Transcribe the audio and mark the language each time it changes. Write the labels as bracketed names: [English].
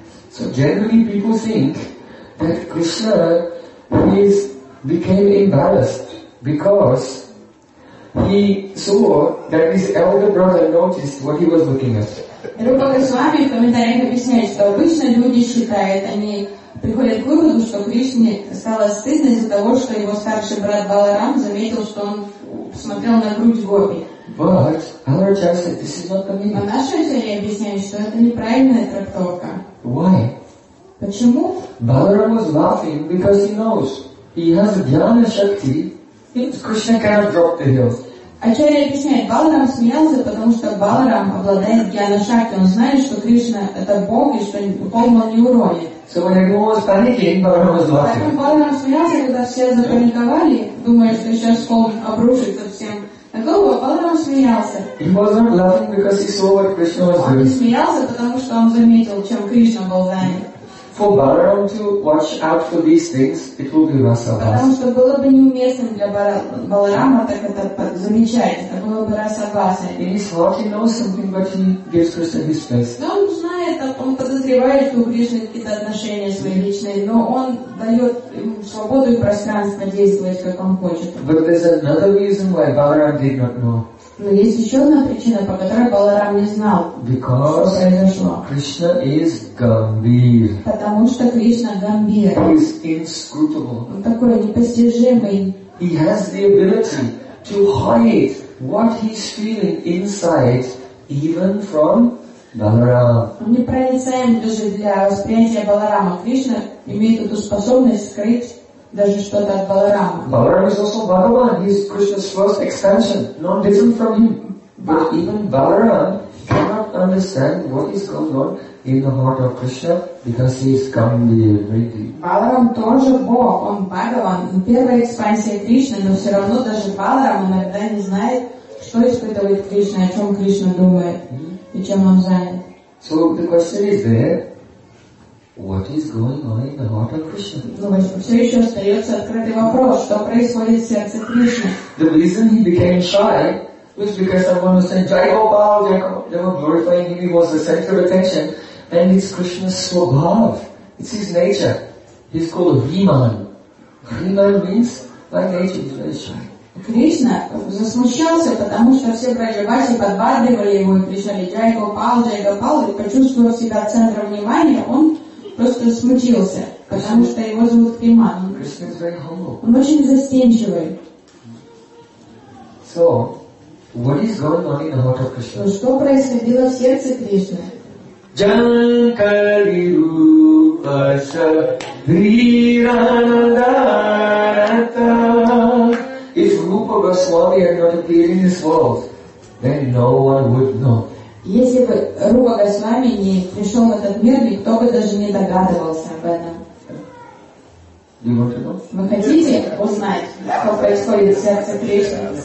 [English] So generally people think that Krishna is became embarrassed because he saw that his elder brother noticed what he was looking at. [Russian] Rupa Goswami в комментариях объясняет, что обычно люди считают, они приходят к выводу, что Кришне стало стыдно из-за того, что его старший брат Баларам заметил, что он смотрел на грудь гопи. [English] But other chants say this is not the meaning. [Russian] А наши учители объясняют, что это неправильная трактовка. [English] Why? [Russian] Почему? [English] Balaram was laughing because he knows he has jnana shakti. Krishna cannot drop the hill. [Russian] Ачарья объясняет, Баларам смеялся, потому что Баларам обладает Гьяна Шакти. Он знает, что Кришна — это Бог, и что Бхагаван не уронит. [English] So when everyone was panicking, Баларам was laughing. [Russian] Поэтому Баларам смеялся, когда все запаниковали, думая, что сейчас холм обрушится всем. На голову Баларам смеялся. [English] He wasn't laughing because he saw what Krishna was doing. [Russian] Он не смеялся, потому что он заметил, чем Кришна был занят. [English] For Balaram to watch out for these things, it will be rasa bhas. [Russian] Потому что было бы неуместным для Баларама так это замечать, это было бы rasa bhas. [English] In his heart, he knows something, but he gives Krishna his face. [Russian] Он знает, он подозревает. скрывает у Кришны какие-то отношения свои личные, но он дает свободу и пространство действовать, как он хочет. [English] But there's another reason why Balaram did not know. [Russian] Но есть еще одна причина, по которой Баларам не знал, [English] Because [Russian] что произошло. [English] Is Gambir. [Russian] Потому что Кришна Гамбир. [English] He is inscrutable. [Russian] Он такой непостижимый. [English] He has the ability to hide what he's feeling inside, even from Balaram. [Russian] Он непроницаем даже для восприятия Баларама. Кришна имеет эту способность скрыть даже что-то от Баларама. [English] Баларам is also Bhagavan. He is Krishna's first expansion, not different from him. But even Balaram cannot understand what is going on in the heart of Krishna because he is Gambhir. [Russian] Баларам тоже Бог, он Бхагаван, первая экспансия Кришны, но все равно даже Баларам иногда не знает, что испытывает Кришна, о чем Кришна думает и чем он занят. [English] So the question is there. What is going on in the heart of Krishna? [Russian] Все еще остается открытый вопрос, что происходит в сердце Кришны. [English] The reason he became shy was because someone was saying, Jai Gopal, they were glorifying him, he was the center of attention. And it's Krishna's swabhav. It's his nature. He's called Vimana. Vimana means by nature, he's very shy. [Russian] Кришна засмущался, потому что все Враджабаси подбадривали его и кричали, Джай Гопал, Джай Гопал, и почувствовал себя центром внимания, он просто смутился, потому что его зовут Виман. Он очень застенчивый. [English] So, what is going on in the heart of Krishna? [Russian] Что происходило в сердце Кришны? Джанкари рупа шабриранадарата. [English] If Rupa Goswami had not appeared in this world, then no one would know. [Russian] Если бы Рупа Госвами не пришел в этот мир, никто бы даже не догадывался об этом. [English] You want to know? [Russian] Вы хотите узнать, что происходит в сердце Кришны?